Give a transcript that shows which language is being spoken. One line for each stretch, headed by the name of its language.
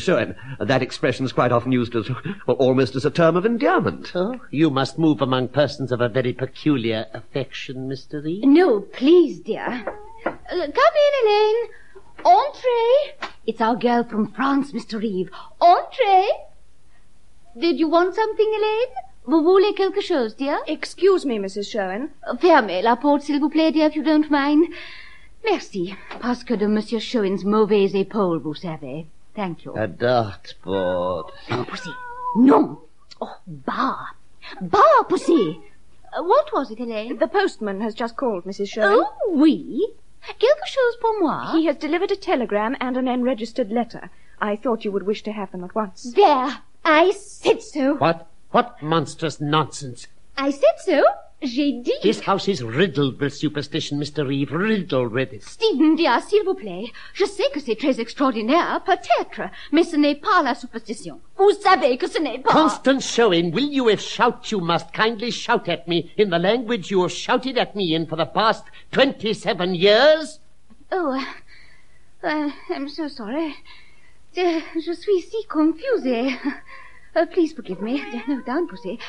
English: Schoen, that expression is quite often used as, well, almost as a term of endearment. Oh, you must move among persons of a very peculiar affection, Mr. Reed. No, please, dear. Come in, Elaine. Entree. It's our girl from France, Mr. Reeve. Entree. Did you want something, Elaine?
French: Vous voulez quelque chose, dear?
English: Excuse me, Mrs. Schoen.
French: Fermez la porte, s'il vous plaît, dear,
English: if you don't mind.
French: Merci. Parce que de Monsieur Schoen's mauvaise épaule, vous savez.
English: Thank you. A dartboard. Bah, Pussy. Non. Oh, bah. Bah, Pussy. What was it, Elaine? The postman has just called, Mrs. Schoen.
French: Oh, oui. Quelque chose pour moi?
English: He has delivered a telegram and an unregistered letter. I thought you would wish to have them at once. There. I said so. What? What monstrous nonsense. I said so.
French: J'ai dit.
English: This house is riddled with superstition, Mr. Reeve. Riddled with it.
French: Stephen, dear, s'il vous plaît. Je sais que c'est très extraordinaire, peut-être. Mais ce n'est pas la superstition. Vous savez que ce n'est pas...
English: Constance Schoen, will you, if shout you must, kindly shout at me in the language you have shouted at me in for the past 27 years? Oh, I'm so sorry.
French: Je suis si confusée.
English: Please forgive me. No, down, Pussy.